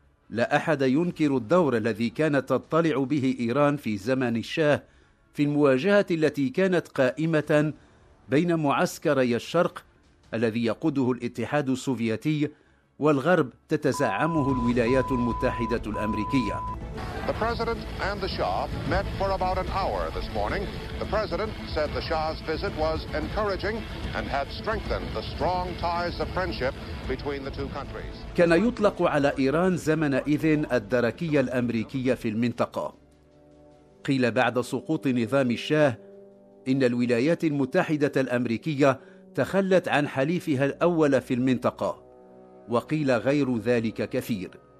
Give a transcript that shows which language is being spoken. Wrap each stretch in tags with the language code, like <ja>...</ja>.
<ar>لا أحد ينكر الدور الذي كانت تطلع به إيران في زمن الشاه في المواجهة التي كانت قائمة بين معسكري الشرق الذي يقوده الاتحاد السوفيتي والغرب تتزعمه الولايات المتحدة الأمريكية.</ar> <en>The president and the Shah met for about an hour this morning. The president said the Shah's visit was encouraging and had strengthened the strong ties of friendship between the two countries.</en> <ar>كان يطلق على إيران زمنئذ الدركية الأمريكية في المنطقة. قيل بعد سقوط نظام الشاه إن الولايات المتحدة الأمريكية تخلت عن حليفها الأول في المنطقة، وقيل غير ذلك كثير.</ar>